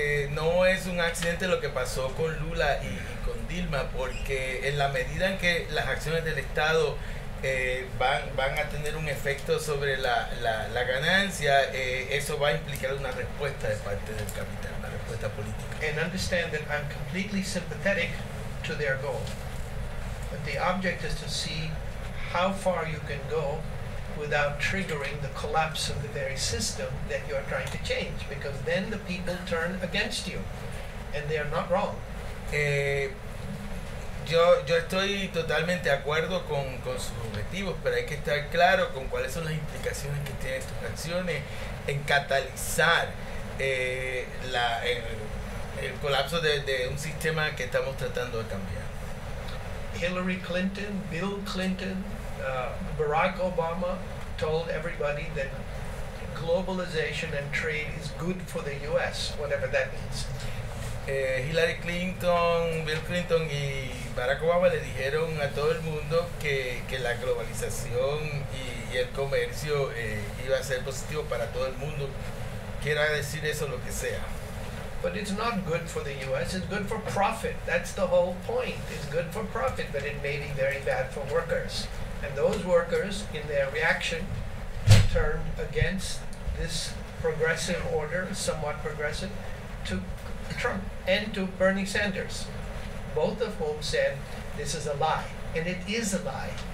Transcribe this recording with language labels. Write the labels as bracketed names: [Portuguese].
[Spanish] No es un accidente lo que pasó con Lula y con Dilma, porque en la medida en que las acciones del Estado van a tener un efecto sobre la ganancia, eso va a implicar una respuesta de parte del capital, una respuesta política. [English] And understand that I'm completely sympathetic to their goal. But the object is to see how far you can go without triggering the collapse of the very system that you are trying to change, because then the people turn against you, and they are not wrong. [Spanish] Yo estoy totalmente de acuerdo con sus objetivos, pero hay que estar claro con cuáles son las implicaciones que tienen estas acciones en catalizar el colapso de un sistema que estamos tratando de cambiar. [English] Hillary Clinton, Bill Clinton, Barack Obama told everybody that globalization and trade is good for the U.S., whatever that means. [Spanish] Hillary Clinton, Bill Clinton y Barack Obama le dijeron a todo el mundo que la globalización y el comercio iba a ser positivo para todo el mundo. Quiera decir eso lo que sea. [English] But it's not good for the U.S., it's good for profit. That's the whole point. It's good for profit, but it may be very bad for workers. And those workers, in their reaction, turned against this progressive order, somewhat progressive, to Trump and to Bernie Sanders, both of whom said, this is a lie. And it is a lie.